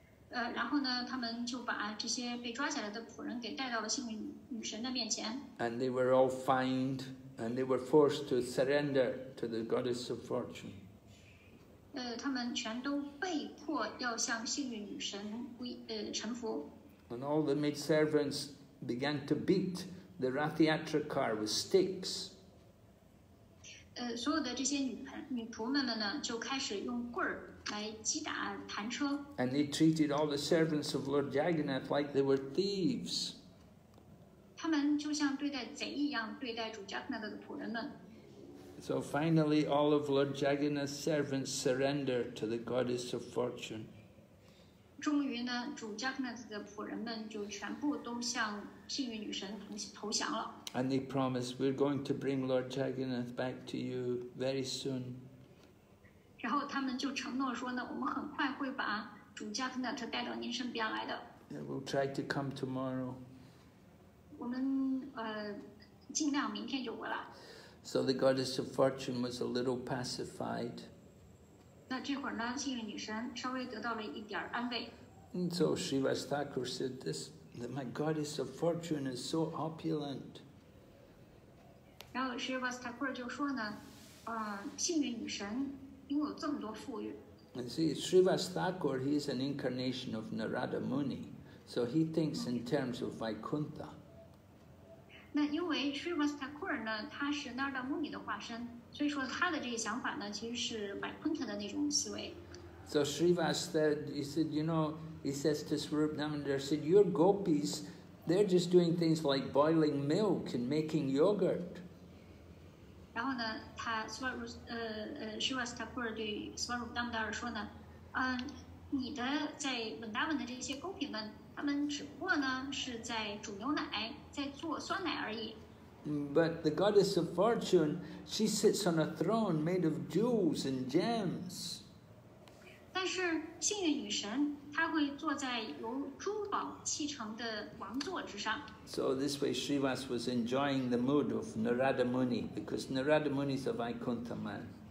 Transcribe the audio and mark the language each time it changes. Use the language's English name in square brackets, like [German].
[Chinese] 然后呢，他们就把这些被抓起来的仆人给带到了幸运女神的面前。 [English] And they were all fined, and they were forced to surrender to the goddess of fortune. [Chinese] 他们全都被迫要向幸运女神臣服。 [English] And all the maid servants began to beat. The Rathyatra car with sticks. [Chinese] 所有的这些女仆们们呢，就开始用棍儿来击打弹车。 [English] And they treated all the servants of Lord Jagannath like they were thieves. [Chinese] 他们就像对待贼一样对待主加格纳达的仆人们。 [English] So finally, all of Lord Jagannath's servants surrender to the goddess of fortune. [Chinese] 终于呢，主加格纳达的仆人们就全部都向幸运女神投降了。 [English] And they promise we're going to bring Lord Jagannath back to you very soon. [Chinese] 然后他们就承诺说呢，我们很快会把主加格纳达带到您身边来的。 [English] Yeah, we'll try to come tomorrow. [Chinese] 我们尽量明天就回来。 [English] So the goddess of fortune was a little pacified. [Chinese] 那这会儿呢，幸运女神稍微得到了一点安慰。 [English] And so Srivas Thakur said this, that my goddess of fortune is so opulent. [Chinese] 然后 Srivas Thakur 就说呢，幸运女神拥有这么多富裕。 [English] And see, Srivas Thakur, he is an incarnation of Narada Muni, so he thinks in terms of Vaikuntha. [Chinese] 那因为 Srivas Thakur 呢，他是 Narada Muni 的化身。所以说他的这个想法呢，其实是百昆特的那种思维。 [English] So Srivas said, he said, you know, he says to Swarup Namandar, said, your gopis, they're just doing things like boiling milk and making yogurt. [Chinese] 然后呢，他 Srivas Thakur 对 Swarup Namandar 说呢，你的在 Vrindavan 的这些 gopi 们，他们只不过呢是在煮牛奶，在做酸奶而已。 [English] But the goddess of fortune, she sits on a throne made of jewels and gems. [Chinese] 但是幸运女神，她会坐在由珠宝砌成的王座之上。 [English] So this way, Srivas was enjoying the mood of Narada Muni because Narada Muni is a Vaikuntha man.